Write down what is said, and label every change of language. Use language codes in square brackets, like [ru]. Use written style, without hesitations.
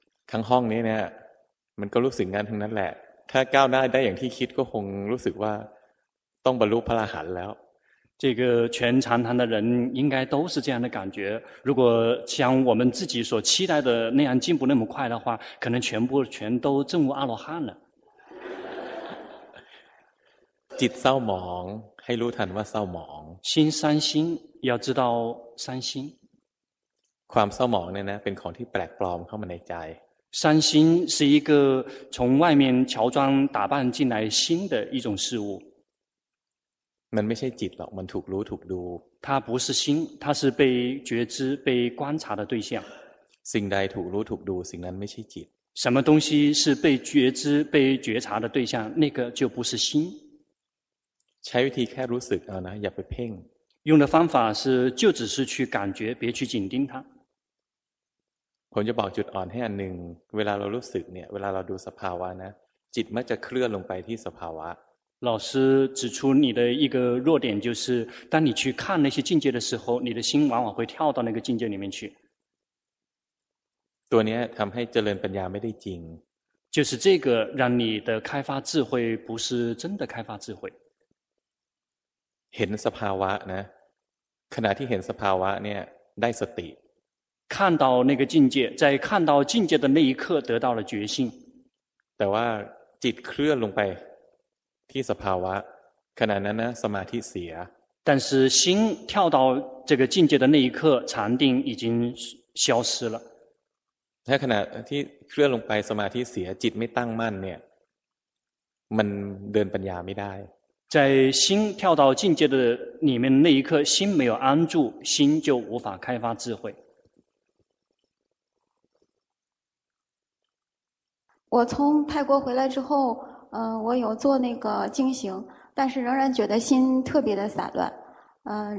[th] ทั้งห้องนี้เนี่ยมันก็รู้สึกงานทั้งนั้นแหละถ้าก้าวหน้าได้อย่างที่คิดก็คงรู้สึกว่าต้องบรรลุพระอรหันต์แล้ว [zh] 这个全禅堂的人应该都是这样的感觉如果像我们自己所期待的那样进步那么快的话可能全都证悟阿罗汉了 [th] จิตเศร้าหมองให้รู้ทันว่าเศร้าหมอง [zh] 心伤心要知道伤心 [th] ความเศร้าหมองเนี่ยนะเป็นของที่แปลกปลอมเข้ามาในใจ [zh] 伤心是一个从外面乔装打扮进来心的一种事物 [th] มันไม่ใช่จิตหรอกมันถูกรู้ถูกดู [zh] 它不是心它是被觉知被观察的对象 [th] สิ่งใดถูกรู้ถูกดูสิ่งนั้นไม่ใช่จิต [zh] 什么东西是被觉知被觉察的对象那个就不是心 [th] ใช้วิธีแค่รู้สึกเอานะอย่าไปเพ่ง [zh] 用的方法是就只是去感觉别去紧盯它 [th] ผมจะบอกจุดอ่อนให้อันหนึ่งเวลาเรารู้สึกเนี่ยเวลาเราดูสภาวะนะจิตมักจะเคลื่อนลงไปที่สภาวะ [zh] 老师指出你的一个弱点就是当你去看那些境界的时候你的心往往会跳到那个境界里面去 [th] ตัวนี้ทำให้เจริญปัญญาไม่ได้จริง [zh] 就是这个让你的开发智慧不是真的开发智慧 [th] เห็นสภาวะนะขณะที่เห็นสภาวะเนี่ยได้สติ [zh] 看到那个境界在看到境界的那一刻得到了觉性 [th] แต่ว่าจิตเคลื่อนลงไปที่สภาวะขณะนั้นนะสมาธิเสีย [zh] 但是心跳到这个境界的那一刻禅定已经消失了 [th] ถ้าขณะที่เคลื่อนลงไปสมาธิเสียจิตไม่ตั้งมั่นเนี่ยมันเดินปัญญาไม่ได้ [zh] 在心跳到境界的里面那一刻，心没有安住，心就无法开发智慧。我从泰国回来之后，我有做那个静行，但是仍然觉得心特别的散乱。